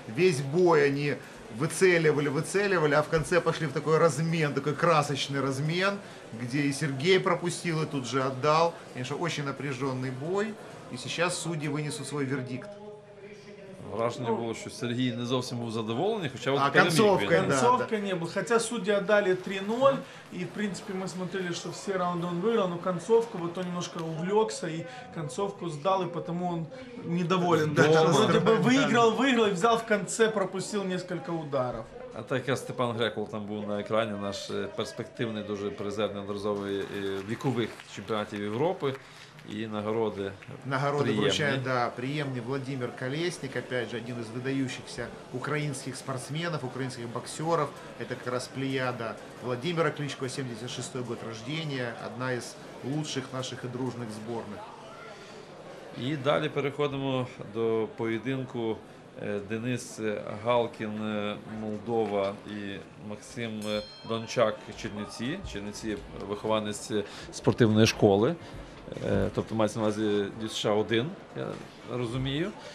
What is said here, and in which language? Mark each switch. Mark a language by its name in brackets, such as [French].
[Russian] Весь бой вони выцеливали, а в конце пошли в такой размен, такой красочный размен, где и Сергей пропустил, и тут же отдал. Конечно, очень напряженный бой, и сейчас судьи вынесут свой вердикт. [Ukrainian] Враження було, що Сергій не зовсім був задоволений, хоча от перемігли. Концовка не було. Хоча судді віддали 3-0, і, в принципі, ми дивилися, що всі раунди він виграв, але концовку, [Russian] бо то немножко увлекся, [Ukrainian] і концовку здали, тому він недоволен. Вроді би виграв, взяв в кінці, пропустив кілька ударів. А так як Степан Грекол там був на екрані, наш перспективний, дуже призер неодноразовий вікових чемпіонатів Європи, і нагороди. Нагороди вручає, да, приємний Володимир Колесник, [Russian] опять же, [Ukrainian] один із видаючихся українських спортсменів, українських боксерів. [Russian] Это как раз плеяда Владимира Кличко, 76-й год рождения, одна із лучших наших і дружних зборних. [Ukrainian] І далі переходимо до поєдинку Денис Галкін, Молдова, і Максим Дончак, Чернівці. Чернівці – вихованець спортивної школи. Тобто мається на увазі США-1, я розумію.